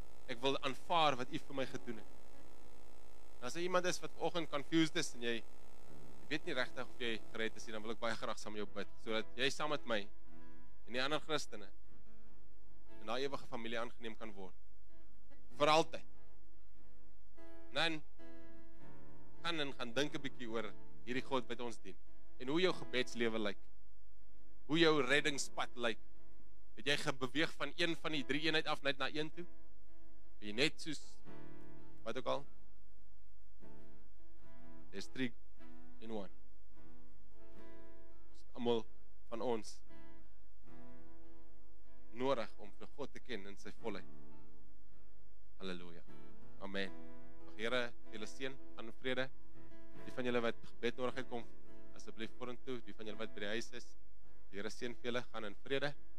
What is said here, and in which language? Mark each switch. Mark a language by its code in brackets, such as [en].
[af] Ek wil aanvaar wat u vir my gedoen het. En as iemand is wat vanoggend confused is en jy weet nie regtig of jy gered is nie, dan wil ek baie graag saam met jou bid, sodat jy saam met my en die ander Christene in daai ewige familie aangeneem kan word. Vir altyd. Dan gaan en gaan dink 'n bietjie oor hierdie God wat ons dien en hoe jou gebedslewe lyk, hoe jou reddingspad lyk. Het jy gebeweeg van een van die drie eenheid af net na een toe? Ben jy net soos wat ook al? [en] There's three in one. [af] Ons almal van ons nodig om vir God te ken in sy volheid. Halleluja. Amen. Here, julle seën aan vrede. Die van julle wat gebed nodig het, kom asseblief vorentoe. Die van julle wat by die huis is, die Here seën vir julle, gaan in vrede.